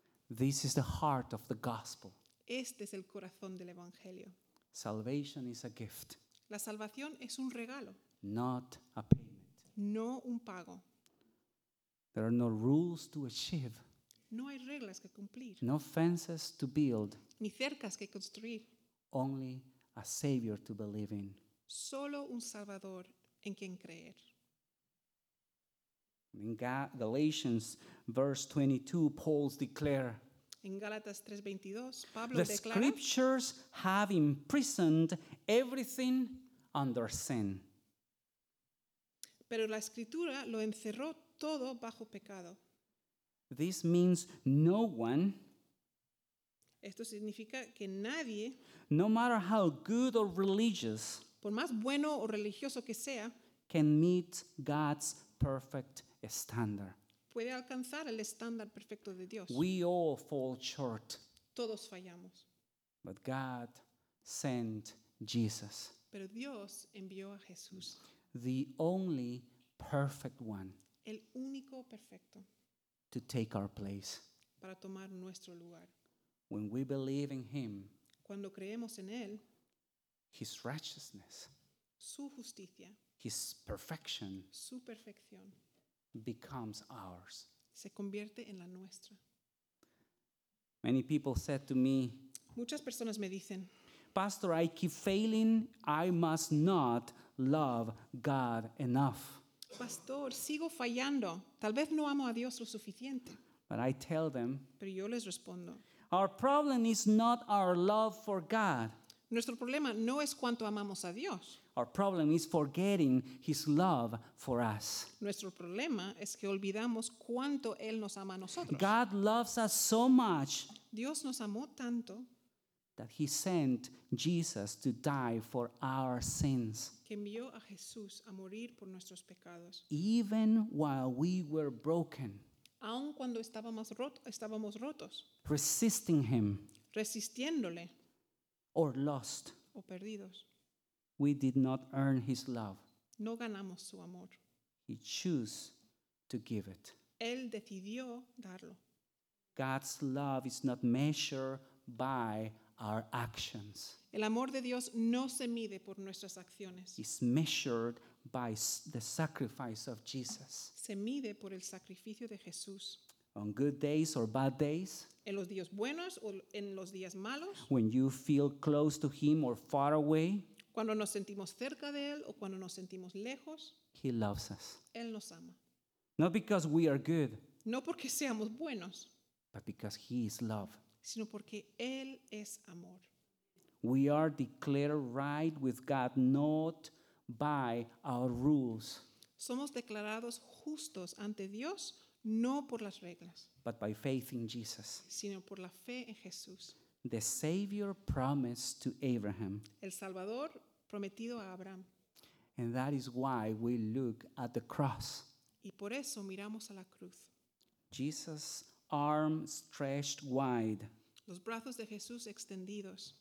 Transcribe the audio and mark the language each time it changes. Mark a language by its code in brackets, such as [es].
[en] This is the heart of the gospel. [es] Este es el corazón del evangelio. [en] Salvation is a gift. [es] La salvación es un regalo. [en] Not a payment. [es] No un pago. [en] There are no rules to achieve. [es] No hay reglas que cumplir. [en] No fences to build. [es] Ni cercas que construir. [en] Only a savior to believe in. [es] Solo un salvador en quien creer. [en] In Galatians verse 22, Paul declares, [es] en Gálatas 3:22, Pablo [en] the [es] declara, [en] scriptures have imprisoned everything under sin. [es] Pero la escritura lo encerró todo bajo pecado. [en] This means no one, [es] esto significa que nadie, [en] no matter how good or religious, [es] por más bueno o religioso que sea, [en] can meet God's perfect standard. [es] Puede alcanzar el estándar perfecto de Dios. [en] We all fall short. [es] Todos fallamos. [en] But God sent Jesus. [es] Pero Dios envió a Jesús. [en] The only perfect one. [es] El único perfecto. [en] To take our place. [es] Para tomar nuestro lugar. [en] When we believe in him. [es] Cuando creemos en él. [en] His righteousness. [es] Su justicia. [en] His perfection. [es] Su perfección. [en] Becomes ours. [es] Se convierte en la nuestra. [en] Many people said to me, [es] muchas personas me dicen, [en] Pastor, I keep failing. I must not love God enough. [es] Pastor, sigo fallando. Tal vez no amo a Dios lo suficiente. [en] But I tell them, [es] pero yo les respondo, [en] our problem is not our love for God. [es] Nuestro problema no es cuánto amamos a Dios. [en] Our problem is forgetting his love for us. [es] Nuestro problema es que olvidamos cuánto él nos ama a nosotros. [en] God loves us so much. [es] Dios nos amó tanto. [en] That he sent Jesus to die for our sins. [es] Que envió a Jesús a morir por nuestros pecados. [en] Even while we were broken. [es] Aun cuando estábamos rotos. [en] Resisting him. [es] Resistiéndole. [en] Or lost. [es] O perdidos. [en] We did not earn his love. [es] No ganamos su amor. [en] He chose to give it. [es] Él decidió darlo. [en] God's love is not measured by our actions. [es] El amor de Dios no se mide por nuestras acciones. [en] It's measured by the sacrifice of Jesus. [es] Se mide por el sacrificio de Jesús. [en] On good days or bad days. [es] En los días buenos o en los días malos. [en] When you feel close to him or far away. [es] Cuando nos sentimos cerca de él o cuando nos sentimos lejos. [en] He loves us. [es] Él nos ama. [en] Not because we are good. [es] No porque seamos buenos. [en] But because he is love. [es] Sino porque él es amor. [en] We are declared right with God not by our rules. [es] Somos declarados justos ante Dios no por las reglas. [en] But by faith in Jesus. [es] Sino por la fe en Jesús. [en] The Savior promised to Abraham. [es] El Salvador prometido a Abraham. [en] And that is why we look at the cross. [es] Y por eso miramos a la cruz. [en] Jesus' arm stretched wide. [es] Los brazos de Jesús extendidos.